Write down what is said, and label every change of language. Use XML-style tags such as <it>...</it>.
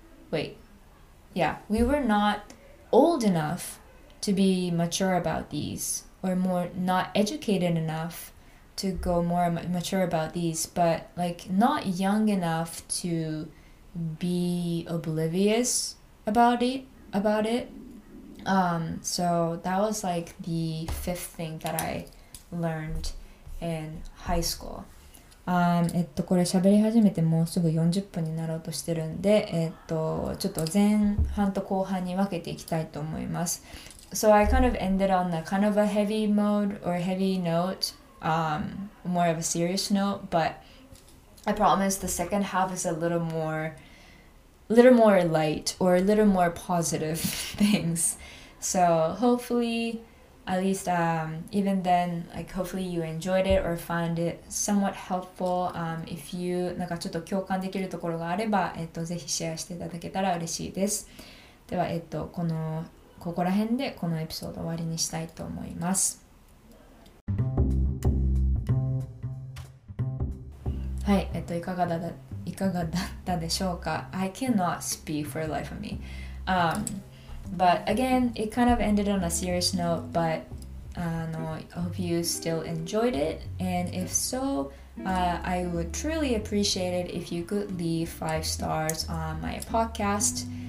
<en>wait, yeah, we were not old enough to be mature about these, or more not educated enoughough to go more mature about these, but like not young enough to... be oblivious about it. So that was like the fifth thing that I learned in high school.</en> <ja>これ喋り始めてもうすぐ40分になろうとしてるんで、ちょっと前半と後半に分けていきたいと思います。</ja> <en>So I kind of ended on a kind of a heavy mode or heavy note, more of a serious note, but I promise the second half is a little more light or a little more positive things. So hopefully, at least even then, like hopefully you enjoyed it or found it somewhat helpful. If you</en> <ja>なんかちょっと共感できるところがあれば、ぜひシェアしていただけたら嬉しいです。では、このここら辺でこのエピソード終わりにしたいと思います。はい、いかがだった。いかがだったでしょうか?</ja> <en>I cannot speak for the life of me. But again, it kind of ended on a serious note, but I hope you still enjoyed it. And if so, I would truly appreciate it if you could leave 5 stars on my podcast.</en>